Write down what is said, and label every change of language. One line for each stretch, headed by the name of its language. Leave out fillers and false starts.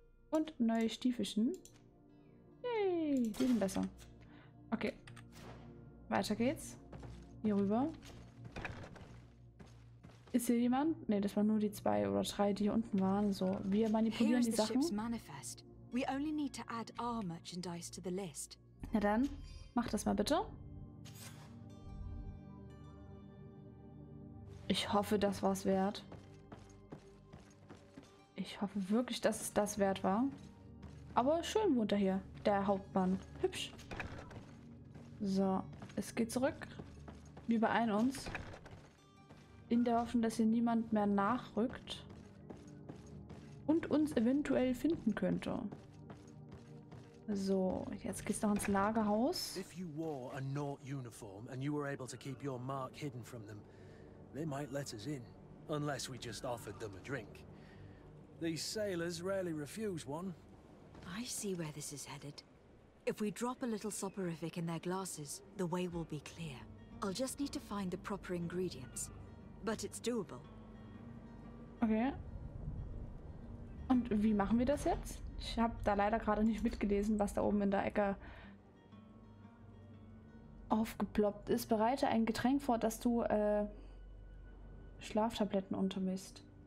German: Und neue Stiefelchen. Yay, die sind besser. Okay. Weiter geht's. Hier rüber. Ist hier jemand? Ne, das waren nur die zwei oder drei, die hier unten waren. So, wir manipulieren die Sachen. Manifest.
English: We only need to add our merchandise to the list.
German: Na dann, mach das mal bitte. Ich hoffe, das war's wert. Ich hoffe wirklich, dass es das wert war. Aber schön wohnt er hier, der Hauptmann. Hübsch. So, es geht zurück. Wir beeilen uns. In der Hoffnung, dass hier niemand mehr nachrückt. Und uns eventuell finden könnte. So, jetzt geht's noch ins Lagerhaus.
English: If you wore a Nort uniform and you were able to keep your mark hidden from them, they might let us in, unless we just offered them a drink. These sailors rarely refuse one. I see where this is headed. If we drop a little soporific in their glasses, the way will be clear. I'll just need to find the proper ingredients, but it's doable. Okay.
German: Und wie machen wir das jetzt? Ich habe da leider gerade nicht mitgelesen, was da oben in der Ecke aufgeploppt ist. Bereite ein Getränk vor, dass du Schlaftabletten untermisst.